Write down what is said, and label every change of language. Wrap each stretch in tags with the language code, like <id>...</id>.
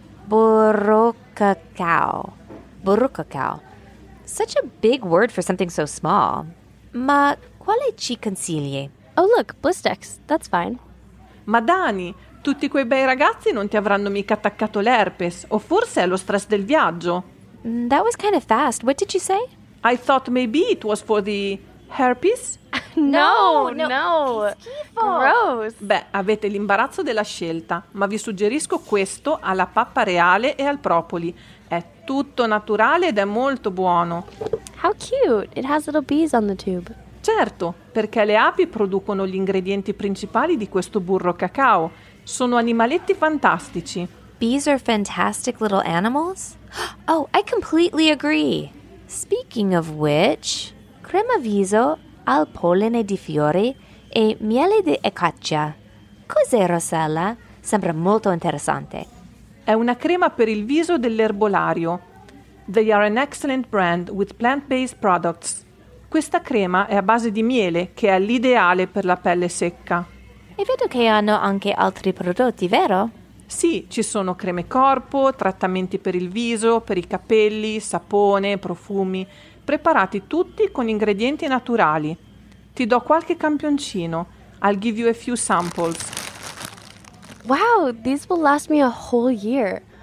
<it>Burro cacao. Burro cacao.</it> <en>Such a big word for something so small.</en> <it>Ma quale ci consigli?</it> <en>Oh, look, Blistex. That's fine.</en> <it>Ma Dani, tutti quei bei ragazzi non ti avranno mica attaccato l'herpes, o forse è lo stress del viaggio.</it> <en>That was kind of fast. What did you say? I thought maybe it was for the herpes.</en> <it>No. Che schifo.</it> <en>Gross.</en> <it>Beh, avete l'imbarazzo della scelta, ma vi suggerisco questo alla pappa reale e al propoli. È tutto naturale ed è molto buono. How cute. It has little bees on the tube. Certo, perché le api producono gli ingredienti principali di questo burro cacao. Sono animaletti fantastici.</it> <en>Bees are fantastic little animals? Oh, I completely agree. Speaking of which,</en> <it>crema viso al polline di fiori e miele di acacia. Cos'è, Rossella? Sembra molto interessante. È una crema per il viso dell'erbolario.</it> <en>They are an excellent brand with plant-based products.</en> <it>Questa crema è a base di miele, che è l'ideale per la pelle secca. E vedo che hanno anche altri prodotti, vero? Sì, ci sono creme corpo, trattamenti per il viso, per i capelli, sapone, profumi, preparati tutti con ingredienti naturali. Ti do qualche campioncino.</it> <en>I'll give you a few samples. Wow, these will last me a whole year.</en>